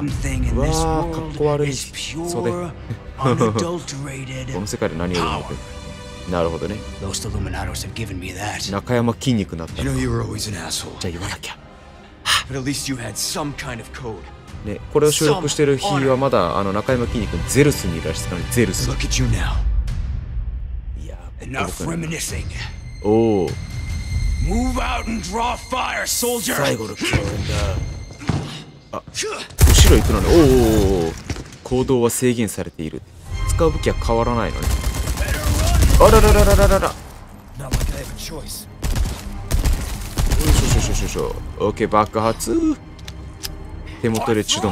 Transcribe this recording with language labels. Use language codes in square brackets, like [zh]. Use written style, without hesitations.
[ja] うわぁ、かっこ悪い。そうで。この世界で何を言うの？なるほどね。中山筋肉になったのか。じゃあ言わなきゃ。 [en] But at least you had some kind of code. [ja] ね、これを収録してる日はまだあの中山筋肉のゼルスにいらっしゃったのに、ゼルス。 [en] Look at you now. いや、 enough reminiscing. [ja] おぉ。 [en] Move out and draw fire, soldier! [ja] 最後の教訓だ。あ、後ろ行くのね。おお、行動は制限されている。使う武器は変わらないのね。あらららららららら、よしよしよしよしよし、オッケー、爆発。手元でチュドン。